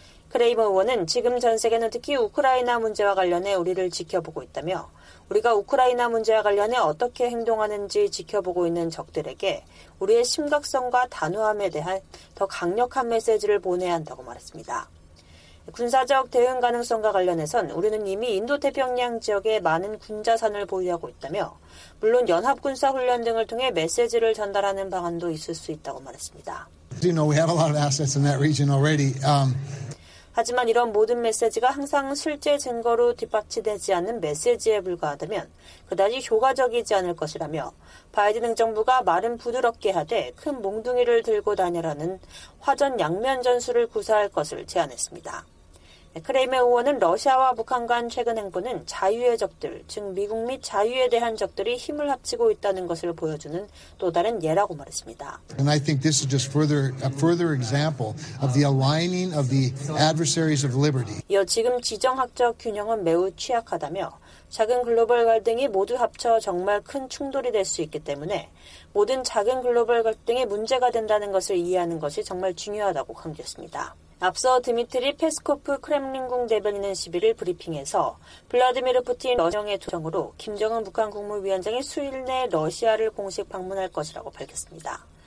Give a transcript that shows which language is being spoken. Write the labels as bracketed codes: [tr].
[ko] 크레이머 의원은 지금 전 세계는 특히 우크라이나 문제와 관련해 우리를 지켜보고 있다며 우리가 우크라이나 문제와 관련해 어떻게 행동하는지 지켜보고 있는 적들에게 우리의 심각성과 단호함에 대한 더 강력한 메시지를 보내야 한다고 말했습니다. 군사적 대응 가능성과 관련해선 우리는 이미 인도태평양 지역에 많은 군자산을 보유하고 있다며 물론 연합군사 훈련 등을 통해 메시지를 전달하는 방안도 있을 수 있다고 말했습니다. [en] You know, we have a lot of assets in that region already. [ko] 하지만 이런 모든 메시지가 항상 실제 증거로 뒷받침되지 않는 메시지에 불과하다면 그다지 효과적이지 않을 것이라며 바이든 행정부가 말은 부드럽게 하되 큰 몽둥이를 들고 다녀라는 화전 양면 전술을 구사할 것을 제안했습니다. 크레이머 의원은 러시아와 북한 간 최근 행보는 자유의 적들, 즉 미국 및 자유에 대한 적들이 힘을 합치고 있다는 것을 보여주는 또 다른 예라고 말했습니다. [en] And I think this is just a further example of the aligning of the adversaries of liberty. [ko] 이어 지금 지정학적 균형은 매우 취약하다며 작은 글로벌 갈등이 모두 합쳐 정말 큰 충돌이 될 수 있기 때문에 모든 작은 글로벌 갈등이 문제가 된다는 것을 이해하는 것이 정말 중요하다고 강조했습니다. 앞서 드미트리 페스코프 크렘린궁 대변인은 11일 브리핑에서 블라디미르 푸틴 러시아의 도청으로 김정은 북한 국무위원장이 수일 내 러시아를 공식 방문할 것이라고 밝혔습니다.